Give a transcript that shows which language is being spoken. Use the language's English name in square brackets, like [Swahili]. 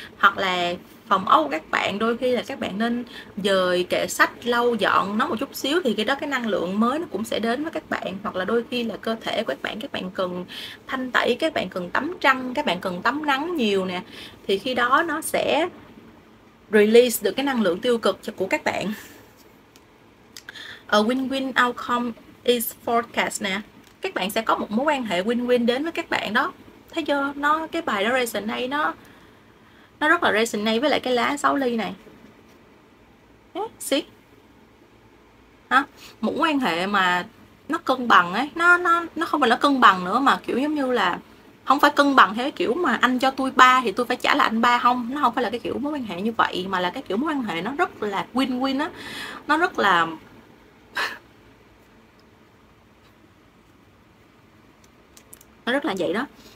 [Vietnamese] Hoặc là phòng ốc của các bạn đôi khi là các bạn nên dời kệ sách, lau dọn nó một chút xíu thì cái đó cái năng lượng mới nó cũng sẽ đến với các bạn. Hoặc là đôi khi là cơ thể của các bạn cần thanh tẩy, các bạn cần tắm trăng, các bạn cần tắm nắng nhiều nè, thì khi đó nó sẽ release được cái năng lượng tiêu cực của các bạn. [English] A win-win outcome is forecast nè. [Vietnamese] Các bạn sẽ có một mối quan hệ win-win đến với các bạn đó. Thấy chưa? Nó cái bài đó resonate, nó rất là resonate với lại cái lá 6 ly này. See? Hả? Một mối quan hệ mà nó cân bằng ấy, nó không phải là cân bằng nữa mà kiểu giống như là không phải cân bằng thế kiểu mà anh cho tôi ba thì tôi phải trả lại anh ba, không, nó không phải là cái kiểu mối quan hệ như vậy mà là cái kiểu mối quan hệ nó rất là win-win á, nó rất là nó rất là vậy đó.